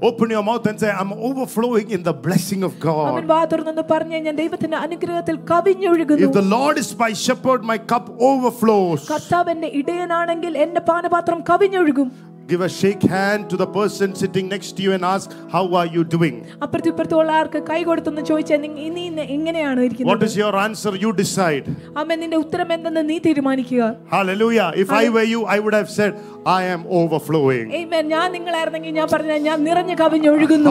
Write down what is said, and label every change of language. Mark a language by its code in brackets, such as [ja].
[en] Open your mouth and say, I'm overflowing in the blessing of God. [ml] അമ്മേ വാതുറന്ന് പറഞ്ഞു ഞാൻ ദൈവത്തിന്റെ അനുഗ്രഹത്തിൽ കവിഞ്ഞൊഴുകുന്നു. [en] If the Lord is my shepherd, my cup overflows. [ml] കർത്താവിന്റെ ഇടയനാണെങ്കിൽ എന്റെ പാനപാത്രം കവിഞ്ഞൊഴുകും. [en] Give a shake hand to the person sitting next to you and ask, how are you doing? [ml] അപ്പുറത്തുള്ളവർക്ക് കൈ കൊടുത്തൊന്ന് ചോദിച്ചാൽ നിങ്ങൾ ഇനി എങ്ങനെയാണ് ഇരിക്കുന്നത്? [en] What is your answer? You decide. [ml] അമ്മേ നിന്റെ ഉത്തരം എന്തെന്ന് നീ തീരുമാനിക്കുക. [en] Hallelujah. If I were you, I would have said, I am overflowing. Amen. [ml] ഞാൻ നിങ്ങളായിരുന്നെങ്കിൽ ഞാൻ പറഞ്ഞു ഞാൻ നിറഞ്ഞു കവിഞ്ഞൊഴുകുന്നു.